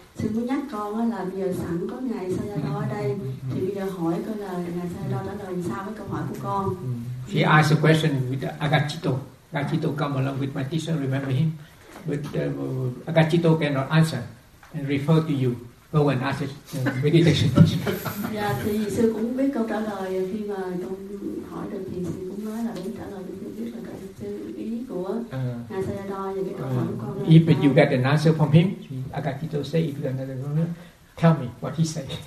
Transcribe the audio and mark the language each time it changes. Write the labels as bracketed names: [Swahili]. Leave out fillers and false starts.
[Vietnamese] Sư muốn nhắc con đó là bây giờ sẵn có ngài Sayadaw ở đây, thì bây giờ hỏi con là ngài Sayadaw trả lời sao với câu hỏi của con. [English] He asked a question with Agachito. Agachito come along with my teacher, remember him. But Agachito cannot answer and refer to you. Go and ask it, meditation. [Vietnamese] Dạ, thì sư cũng biết câu trả lời. Khi mà con hỏi được thì sư cũng nói là biết trả lời. Sư biết là cái ý của ngài Sayadaw và cái câu hỏi của con. [English] If you get an answer from him, Agachito say, if you another one, tell me what he said.